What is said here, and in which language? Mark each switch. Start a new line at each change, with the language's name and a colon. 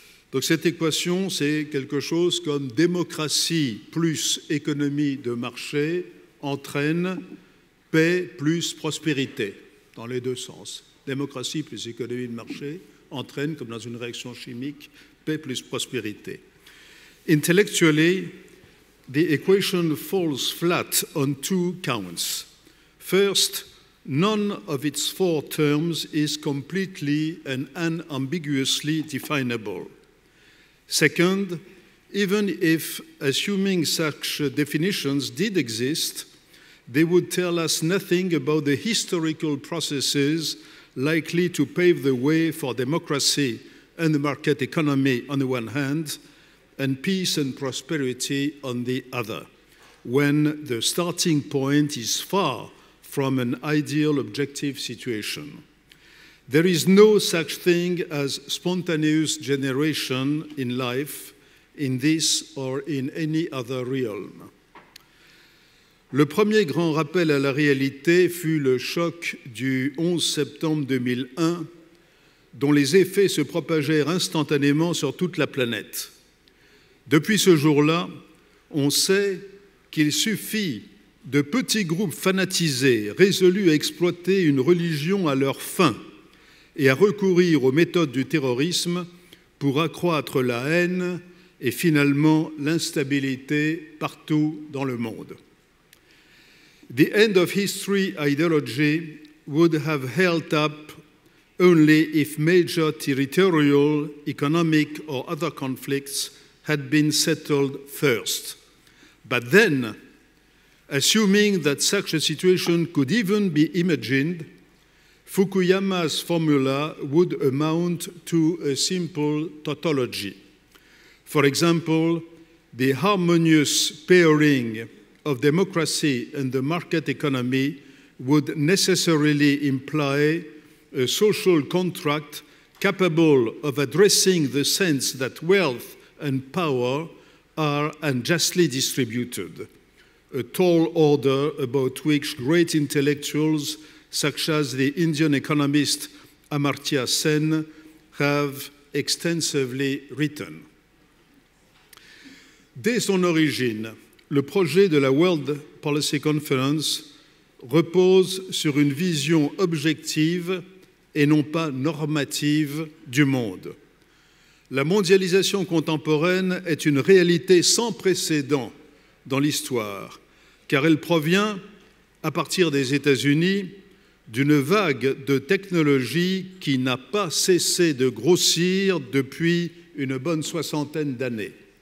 French: Donc cette équation, c'est quelque chose comme démocratie plus économie de marché entraîne paix plus prospérité, dans les deux sens. Démocratie plus économie de marché entraîne, comme dans une réaction chimique, paix plus prospérité.
English: Intellectually, the equation falls flat on two counts. First, none of its four terms is completely and unambiguously definable. Second, even if assuming such definitions did exist, they would tell us nothing about the historical processes likely to pave the way for democracy and the market economy on the one hand, and peace and prosperity on the other, when the starting point is far from an ideal objective situation. There is no such thing as spontaneous generation in life, in this or in any other realm.
French: Le premier grand rappel à la réalité fut le choc du 11 septembre 2001, dont les effets se propagèrent instantanément sur toute la planète. Depuis ce jour-là, on sait qu'il suffit de petits groupes fanatisés, résolus à exploiter une religion à leur fin, et à recourir aux méthodes du terrorisme pour accroître la haine et finalement l'instabilité partout dans le monde.
English: The end of history ideology would have held up only if major territorial, economic or other conflicts had been settled first. But then, assuming that such a situation could even be imagined, Fukuyama's formula would amount to a simple tautology. For example, the harmonious pairing of democracy and the market economy would necessarily imply a social contract capable of addressing the sense that wealth and power are unjustly distributed, a tall order about which great intellectuals such as the Indian economist Amartya Sen have extensively written.
French: Dès son origine, le projet de la World Policy Conference repose sur une vision objective et non pas normative du monde. La mondialisation contemporaine est une réalité sans précédent dans l'histoire, car elle provient, à partir des États-Unis, d'une vague de technologies qui n'a pas cessé de grossir depuis une bonne soixantaine d'années.